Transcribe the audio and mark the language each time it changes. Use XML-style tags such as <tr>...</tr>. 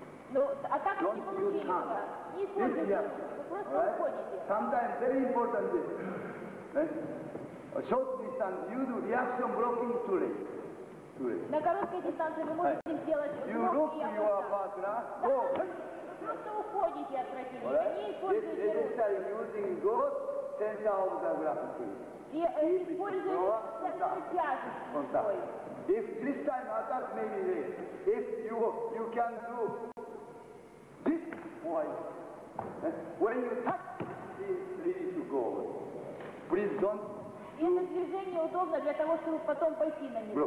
<ru>Ну, а так не получили удар. Не используйте, вы просто уходите.</ru> <en>Sometimes very important is, a short distance, you do reaction blocking too late.</en> <ru>На короткой дистанции вы можете сделать</ru> <en>you</en> <ru>блок и опускать. Вы просто уходите от противника, не используйте руки.</ru> <en>This is using God, center of the gravity.</en> <ru>И используйте центр тяжести.</ru> <en>If this time attack may be late, if you can do this twice, when you touch, it's ready to go. Please don't.</en> <ru>И это движение удобно для того, чтобы потом пойти на него.</ru>